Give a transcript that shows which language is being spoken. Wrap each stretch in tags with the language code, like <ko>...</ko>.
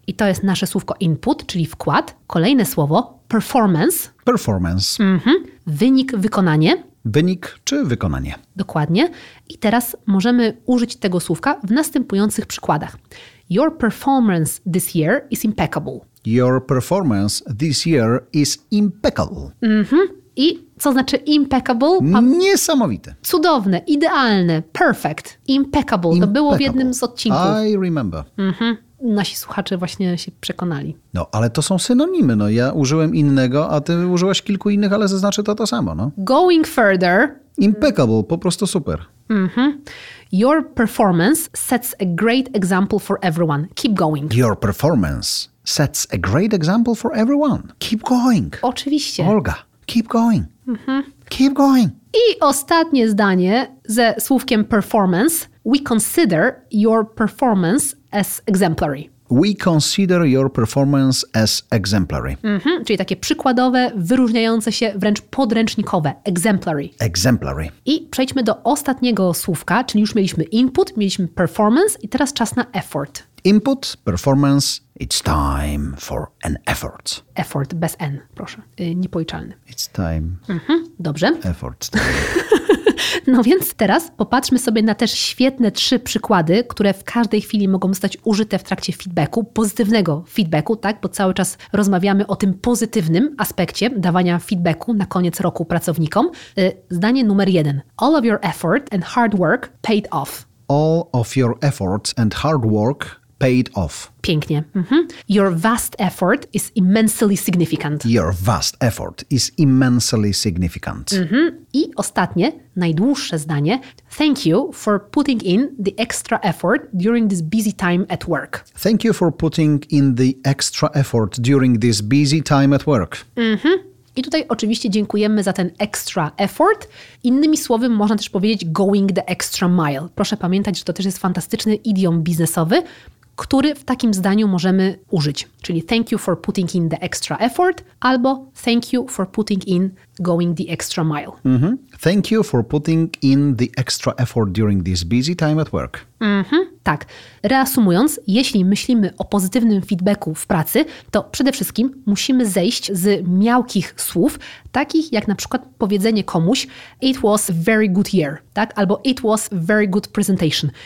<pl>I to jest nasze słówko input, czyli wkład. Kolejne słowo, performance.</pl> <en>Performance.</en> <pl>Mhm. Wynik, wykonanie. Wynik czy wykonanie. Dokładnie. I teraz możemy użyć tego słówka w następujących przykładach.</pl> <en>Your performance this year is impeccable. Your performance this year is impeccable.</en> <pl>Mhm. I co znaczy impeccable? Niesamowite. Cudowne, idealne, perfect. Impeccable. To było w jednym z odcinków.</pl> <en>I remember. Mhm.</en> <pl>Nasi słuchacze właśnie się przekonali. No, ale to są synonimy. No, ja użyłem innego, a ty użyłaś kilku innych, ale zaznaczę to samo. No.</pl> <en>Going further.</en> <pl>Impeccable, po prostu super. Mm-hmm.</pl> <en>Your performance sets a great example for everyone. Keep going. Your performance sets a great example for everyone. Keep going.</en> <pl>Oczywiście.</pl> <en>Olga, keep going. Mm-hmm. Keep going.</en> <pl>I ostatnie zdanie ze słówkiem performance.</pl> <en>We consider your performance as exemplary. We consider your performance as exemplary. Mm-hmm.</en> <pl>Czyli takie przykładowe, wyróżniające się, wręcz podręcznikowe.</pl> <en>Exemplary. Exemplary.</en> <pl>I przejdźmy do ostatniego słówka, czyli już mieliśmy input, mieliśmy performance i teraz czas na effort.</pl> <en>Input, performance, it's time for an effort.</en> <pl>Effort, bez N, proszę. Niepoliczalny.</pl> <en>It's time.</en> <pl>Mm-hmm. Dobrze.</pl> <en>Effort time.</en> <pl>No więc teraz popatrzmy sobie na też świetne trzy przykłady, które w każdej chwili mogą zostać użyte w trakcie feedbacku, pozytywnego feedbacku, tak? Bo cały czas rozmawiamy o tym pozytywnym aspekcie dawania feedbacku na koniec roku pracownikom. Zdanie numer jeden.</pl> <en>All of your effort and hard work paid off. All of your effort and hard work paid off.</en> <pl>Pięknie. Mhm.</pl> <en>Your vast effort is immensely significant. Your vast effort is immensely significant. Mhm.</en> <pl>I ostatnie, najdłuższe zdanie.</pl> <en>Thank you for putting in the extra effort during this busy time at work. Thank you for putting in the extra effort during this busy time at work. Mhm.</en> <pl>I tutaj oczywiście dziękujemy za ten extra effort. Innymi słowy można też powiedzieć</pl> <en>going the extra mile.</en> <pl>Proszę pamiętać, że to też jest fantastyczny idiom biznesowy, który w takim zdaniu możemy użyć.</pl> <en>Czyli thank you for putting in the extra effort albo thank you for putting in going the extra mile. Mm-hmm. Thank you for putting in the extra effort during this busy time at work.</en> <pl>Mm-hmm. Tak. Reasumując, jeśli myślimy o pozytywnym feedbacku w pracy, to przede wszystkim musimy zejść z miałkich słów, takich jak na przykład powiedzenie komuś</pl> <en>it was very good year,</en> <pl>tak? Albo</pl> <en>it was very good presentation.</en>